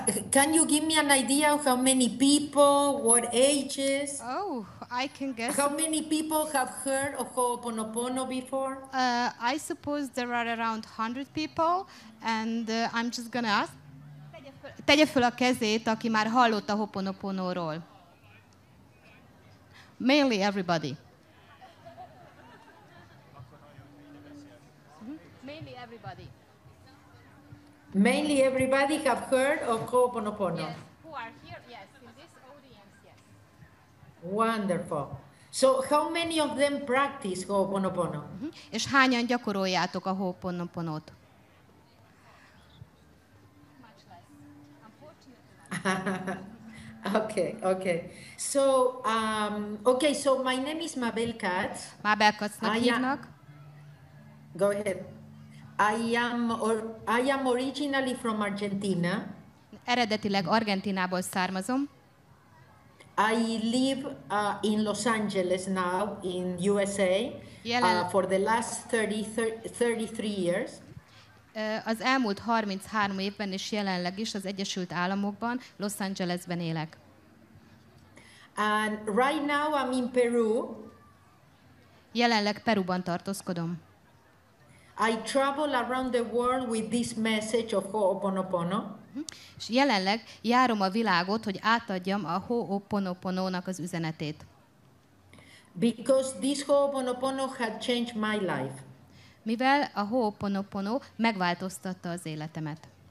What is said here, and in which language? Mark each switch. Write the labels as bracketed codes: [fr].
[en] can you give me an idea of how many people, what ages, Oh, I can guess. how many people have heard of Ho'oponopono before? I suppose there are around 100 people, and I'm just gonna ask. [hu] Tegye föl a kezét, aki már hallott a Ho'oponoponóról. [en] Mainly everybody. Mainly everybody. Mainly everybody have heard of Ho'oponopono. Yes, who are here? Yes, in this audience, yes. Wonderful. So how many of them practice Ho'oponopono? [hu] És hányan gyakoroljátok a Ho'oponoponot? [en] Okay. So okay, so my name is Mabel Katz. [hu] Mabel Katznak [en] I am [hu] hívnak. [en] go ahead. I am originally from Argentina. [hu] Eredetileg Argentinából származom. [en] I live in Los Angeles now in USA for the last 33 years. [hu] Az elmúlt 33 évben és jelenleg is az Egyesült Államokban, Los Angelesben élek. [en] And right now I'm in Peru. [hu] Jelenleg Peruban tartózkodom. [en] I travel around the world with this message of Ho'oponopono. [hu] És jelenleg járom a világot, hogy átadjam a Ho'oponoponónak az üzenetét. [en] Because this Ho'oponopono had changed my life. [hu] Mivel a Ho'oponopono megváltoztatta az életemet.